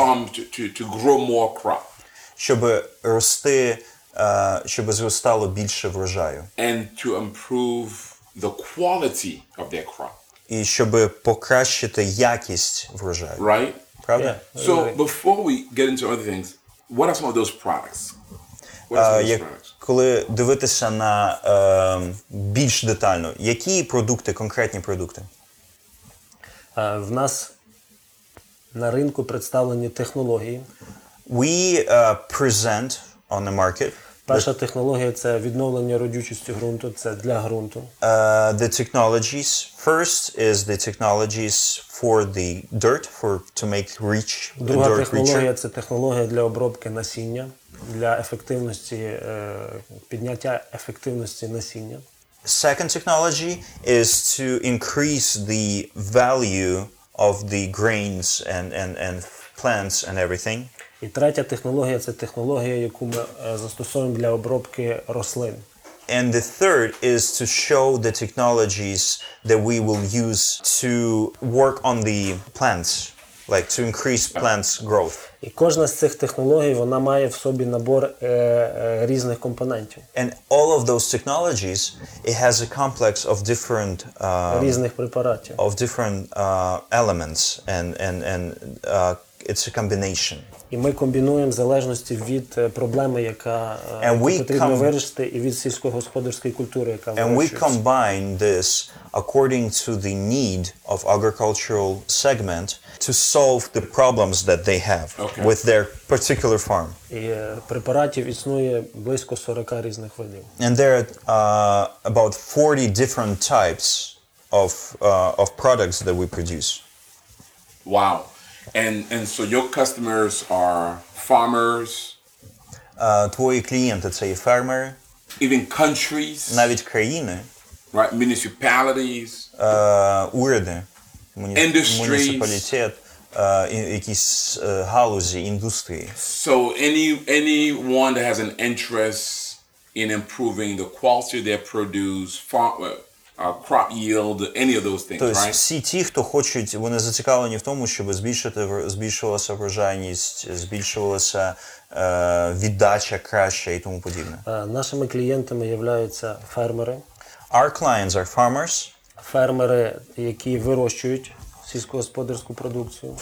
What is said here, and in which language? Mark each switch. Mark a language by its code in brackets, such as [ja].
[en] To make their farm to grow more crop. [uk] Щоб рости щоб зростало більше врожаю. [en] And to improve the quality of their crop. [uk] І щоб покращити якість врожаю. [en] Right? [uk] Правда? [en] Yeah. So, before we get into other things, what are some of those products? [uk] Коли дивитися на більш детально, які продукти, конкретні продукти? В нас на ринку представлені технології. [en] We present on the market. [uk] Перша технологія – це відновлення родючості ґрунту, це для ґрунту. [en] The technologies. First is the technologies for the dirt, for to make rich the dirt richer. [uk] Друга технологія – це технологія для обробки насіння, для ефективності, підняття ефективності насіння. [en] Second technology is to increase the value of the grains and plants and everything. [uk] І третя технологія – це технологія, яку ми застосовуємо для обробки рослин. [en] And the third is to show the technologies that we will use to work on the plants, like to increase plants' growth. [uk] І кожна з цих технологій, вона має в собі набор різних компонентів. [en] And all of those technologies, it has a complex of different... [uk] різних препаратів. [en] Of different elements and it's a combination. [uk] І ми комбінуємо в залежності від проблеми, яка потрібно вирішити, і від сільськогосподарської культури, яка вирішується. [en] And we combine this according to the need of agricultural segment to solve the problems that they have okay. with their particular farm. [uk] І препаратів існує близько 40 різних видів. [en] And there are about 40 different types of products that we produce. Wow. And so your customers are farmers. [uk] Твої клієнти це є фермери. [en] Even countries. [uk] Навіть країни. [en] Right, municipalities. [uk] Уряди. [en] Industries. [uk] Муніципалітет. Якісь галузі, індустрії. [en] So anyone that has an interest in improving the quality of their produce, crop yield, any of those things, [uk] тобто, [en] right? [uk] Тобто всі ті, хто хочуть, вони зацікавлені в тому, щоб збільшувалася врожайність, збільшувалася віддача краще і тому подібне. Нашими клієнтами являються фермери. [en] Our clients are farmers. [uk] Фермери, які вирощують сільськогосподарську продукцію.